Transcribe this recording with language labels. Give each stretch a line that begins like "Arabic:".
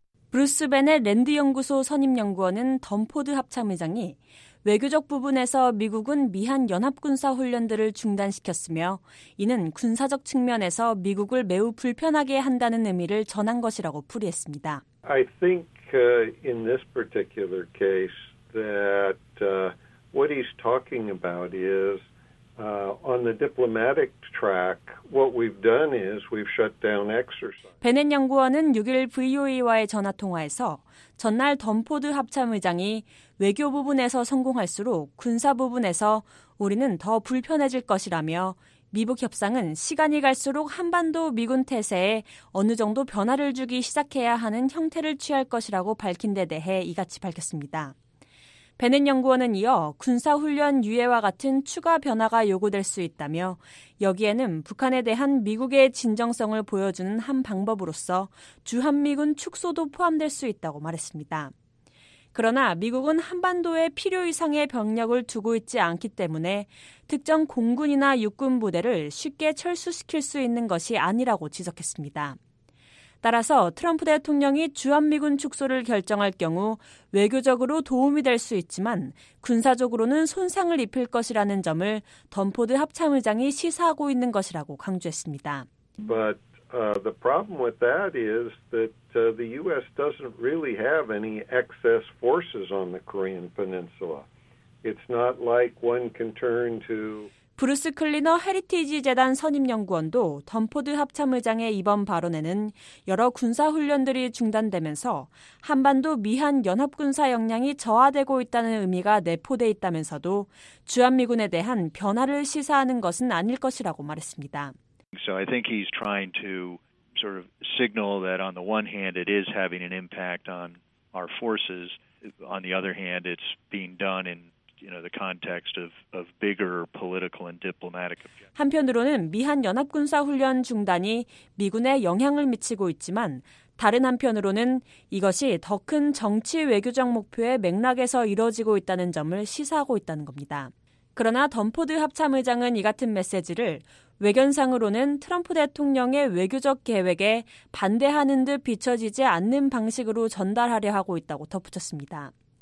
Korean: 브루스 베넷 랜드연구소 선임연구원은 던포드 합참의장이 외교적 부분에서 미국은 미한연합군사훈련들을 중단시켰으며 이는 군사적 측면에서 미국을 매우 불편하게 한다는 의미를 전한 것이라고 풀이했습니다.
English: I think in this particular case that what he's talking about is on the diplomatic track, what we've done is we've shut down exercise.
Korean: 베넷 연구원은 6일 VOA와의 전화 통화에서 전날 던포드 합참의장이 외교 부분에서 성공할수록 군사 부분에서 우리는 더 불편해질 것이라며 미북 협상은 시간이 갈수록 한반도 미군 태세에 어느 정도 변화를 주기 시작해야 하는 형태를 취할 것이라고 밝힌 데 대해 이같이 밝혔습니다. 베넷 연구원은 이어 군사훈련 유예와 같은 추가 변화가 요구될 수 있다며 여기에는 북한에 대한 미국의 진정성을 보여주는 한 방법으로서 주한미군 축소도 포함될 수 있다고 말했습니다. 그러나 미국은 한반도에 필요 이상의 병력을 두고 있지 않기 때문에 특정 공군이나 육군 부대를 쉽게 철수시킬 수 있는 것이 아니라고 지적했습니다. 따라서 트럼프 대통령이 주한미군 축소를 결정할 경우 외교적으로 도움이 될 수 있지만 군사적으로는 손상을 입힐 것이라는 점을 던포드 합참의장이 시사하고 있는 것이라고 강조했습니다.
English: But the problem with that is that the U.S. doesn't really have any excess forces on the Korean Peninsula. It's not like one can turn to...
Korean: 브루스 클리너 헤리티지 재단 선임연구원도 던포드 합참의장의 이번 발언에는 여러 군사훈련들이 중단되면서 한반도 미한 연합군사 역량이 저하되고 있다는 의미가 내포돼 있다면서도 주한미군에 대한 변화를 시사하는 것은 아닐 것이라고 말했습니다.
English: So I think he's trying to sort of signal that on the one hand it is having an impact on our forces. On the other hand, it's being done in you know the context of bigger political and diplomatic objectives.
Korean: 한편으로는 미한 연합 군사 훈련 중단이 미군에 영향을 미치고 있지만 다른 한편으로는 이것이 더 큰 정치 외교적 목표의 맥락에서 이루어지고 있다는 점을 시사하고 있다는 겁니다. 그러나 던포드 합참 의장은 이 같은 메시지를 외견상으로는 트럼프 대통령의 외교적 계획에 반대하는 듯 비춰지지 않는 방식으로 전달하려 하고 있다고 덧붙였습니다.